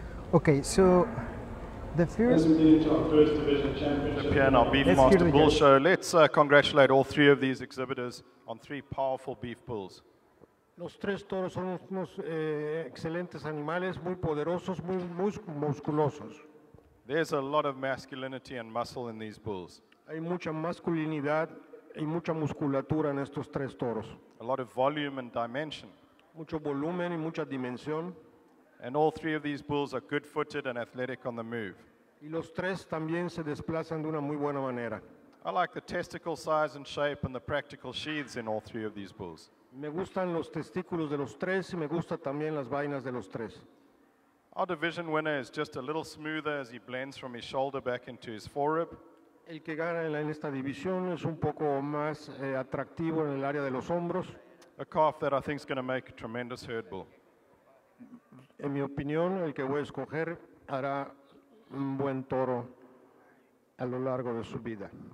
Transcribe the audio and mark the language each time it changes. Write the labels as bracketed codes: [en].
[en] Okay, so the first. The PNR Beefmaster Bull Show. Let's congratulate all three of these exhibitors on three powerful beef bulls. [es] Los tres toros son unos excelentes animales, muy poderosos, muy musculosos. [en] There's a lot of masculinity and muscle in these bulls. [es] Hay mucha masculinidad y mucha musculatura en estos tres toros. [en] A lot of volume and dimension. [es] Mucho volumen y mucha dimensión. [en] And all three of these bulls are good-footed and athletic on the move. [es] Y los tres también se desplazan de una muy buena manera. [en] I like the testicle size and shape and the practical sheaths in all three of these bulls. [es] Me gustan los testículos de los tres y me gusta también las vainas de los tres. [en] Our division winner is just a little smoother as he blends from his shoulder back into his forerib. [es] El que gana en esta división es un poco más atractivo en el área de los hombros. [en] A calf that I think is going to make a tremendous herd bull. [es] En mi opinión, el que voy a escoger hará un buen toro a lo largo de su vida.